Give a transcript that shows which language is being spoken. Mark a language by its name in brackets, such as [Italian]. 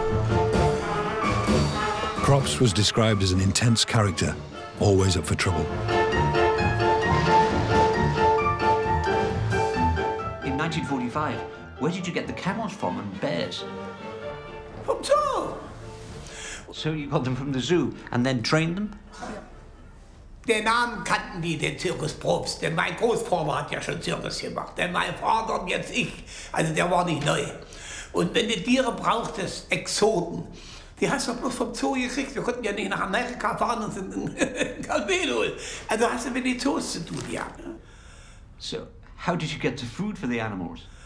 [English] Probst was described as an intense character, always up for trouble. In 1945, where did you get the camels from and bears? From town! So you got them from the zoo and then trained them? [German] Den Namen kannten die, den Zirkus Probst, denn mein Großvater hat ja schon Zirkus gemacht, denn mein Vater und jetzt ich, also der war nicht neu. Und wenn du Tiere brauchtest, Exoten, die hast du bloß vom Zoo gekriegt, wir konnten ja nicht nach Amerika fahren und sind in Kamel holen. Also hast du mit den Zoos zu tun, ja. [English] So, how did you get the food for the animals?